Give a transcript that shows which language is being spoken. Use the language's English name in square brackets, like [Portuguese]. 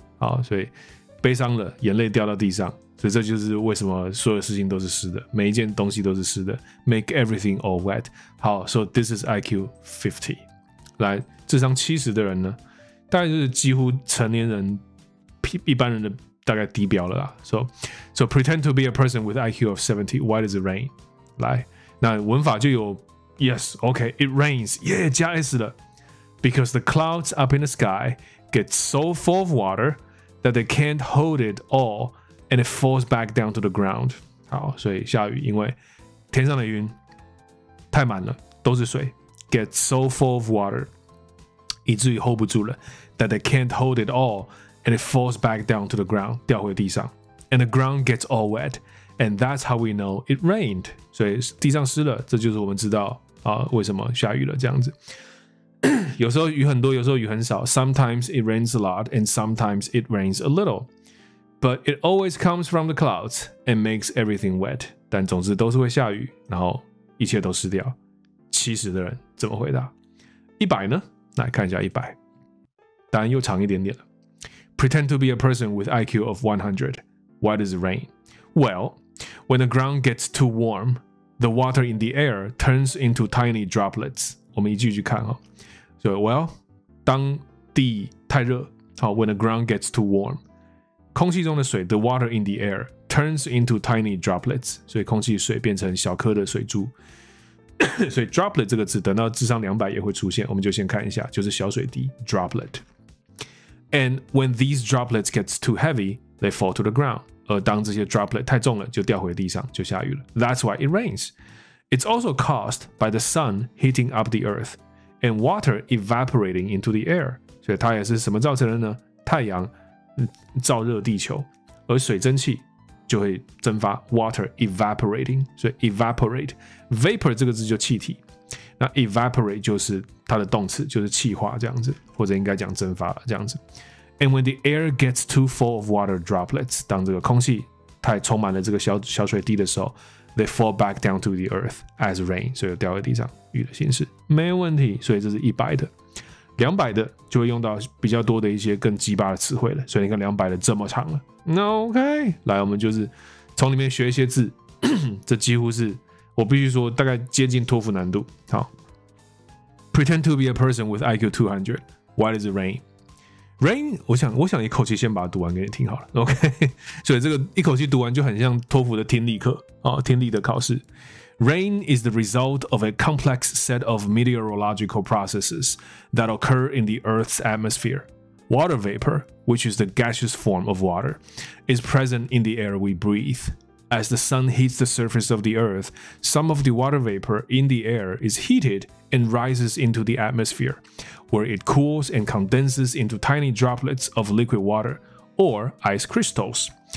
[Chinese] 好，所以悲伤了，眼泪掉到地上。所以这就是为什么所有事情都是湿的，每一件东西都是湿的。 [English] Make everything all wet. 好 ，so this is IQ 50。 [Chinese] 来，智商70的人呢，大概就是几乎成年人一般人的大概低标了啦。 [English] So pretend to be a person with IQ of 70. Why does it rain? [Chinese] 来，那文法就有 [English] yes, okay, it rains. Yeah, [Chinese] 加 s 了。 [English] Because the clouds up in the sky get so full of water that they can't hold it all, and it falls back down to the ground. [Chinese] 好，所以下雨，因为天上的云太满了，都是水 [English] ，get so full of water， [Chinese] 以至于 [English] hold 不住了 ，that they can't hold it all, and it falls back down to the ground， [Chinese] 掉回地上 [English] ，and the ground gets all wet, and that's how we know it rained. [Chinese] 所以地上湿了，这就是我们知道啊，为什么下雨了这样子。有时候雨很多，有时候雨很少。 [English] Sometimes it rains a lot, and sometimes it rains a little. But it always comes from the clouds and makes everything wet. [Chinese] 但总之都是会下雨，然后一切都湿掉。70的人怎么回答？100呢？来看一下100，答案又长一点点了。 [English] Pretend to be a person with IQ of 100. Why does it rain? Well, when the ground gets too warm, the water in the air turns into tiny droplets. [Chinese] 我们一句一句看哈。 [English] So, well, [Chinese] 当地太热 [English] when the ground gets too warm, [Chinese] 空气中的水 [English] the water in the air, turns into tiny droplets, [Chinese] 所以空气水变成小颗的水珠。所以 droplet 这个字等到智商200也会出现，我们就先看一下，就是小水滴 droplet. [English] And when these droplets get too heavy, they fall to the ground. [Chinese] 而当这些 droplet 太重了，就掉回地上，就下雨了。 [English] That's why it rains. It's also caused by the sun heating up the earth and water evaporating into the air. [Chinese] 所以它也是什么造成的呢？太阳照热地球，而水蒸气就会蒸发 ， [English] water evaporating， [Chinese] 所以 evaporate， vapor 这个字就气体，那 evaporate 就是它的动词，就是气化这样子，或者应该讲蒸发这样子。 [English] And when the air gets too full of water droplets， [Chinese] 当这个空气太充满了这个 小水滴的时候 ， [English] they fall back down to the earth as rain， [Chinese] 所以掉在地上，雨的形式，没有问题。所以这是100的。 200的就会用到比较多的一些更鸡巴的词汇了，所以你看200的这么长了。那 OK， 来，我们就是从里面学一些字，这几乎是我必须说大概接近托福难度。 [English] 好 ，Pretend to be a person with IQ 200. Why does it rain? [Chinese] Rain， 我想一口气先把它读完给你听好了。 OK， 所以这个一口气读完就很像托福的听力课啊，听力的考试。 [English] Rain is the result of a complex set of meteorological processes that occur in the Earth's atmosphere. Water vapor, which is the gaseous form of water, is present in the air we breathe. As the sun heats the surface of the Earth, some of the water vapor in the air is heated and rises into the atmosphere, where it cools and condenses into tiny droplets of liquid water, or ice crystals.